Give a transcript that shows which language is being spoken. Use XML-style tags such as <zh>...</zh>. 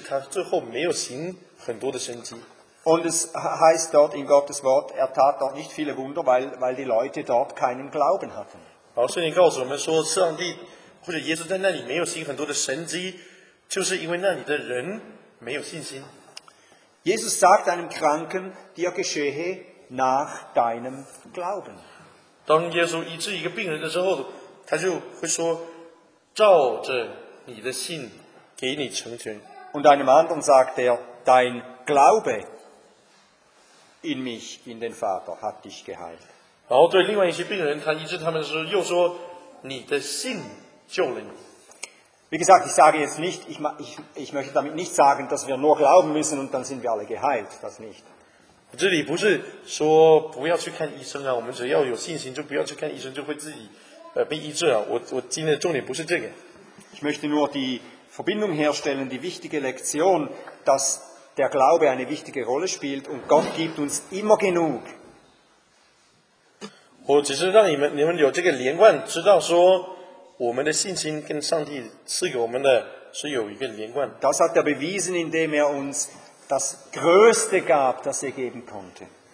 <zh>所以告诉我们说，耶稣曾经到了某一个地区，比较特别是在那个地区，他最后没有行很多的神迹。</zh> <de>Und es heißt dort in Gottes Wort, er tat dort nicht viele Wunder, weil die Leute dort keinen Glauben hatten.</de> <zh>老师，你告诉我们说，上帝或者耶稣在那里没有行很多的神迹，就是因为那里的人没有信心。</zh> <de>Jesus sagt einem Kranken, dir geschehe nach deinem Glauben.</de> <zh>当耶稣医治一个病人的时候，他就会说，照着你的信，给你成全。</zh> <de>Und einem anderen sagt er, dein Glaube in mich, in den Vater, hat dich geheilt.</de> <zh>然后对另外一些病人，他医治他们的时候又说， 你的信救了你。</zh> <de>Wie gesagt, ich sage jetzt nicht, ich möchte damit nicht sagen, dass wir nur glauben müssen und dann sind wir alle geheilt, das nicht.</de> <zh>这里不是说不要去看医生啊，我们只要有信心就不要去看医生，就会自己被医治啊。我今天的重点不是这个。</zh> <de>Ich möchte nur die Verbindung herstellen, die wichtige Lektion, dass der Glaube eine wichtige Rolle spielt und Gott gibt uns immer genug.</de> <zh>我只是让你们有这个连贯，知道说。我们的信心跟上帝赐给我们的是有一个连贯。</zh> <de>Das hat er bewiesen, indem er uns das Größte gab, das er geben konnte.</de>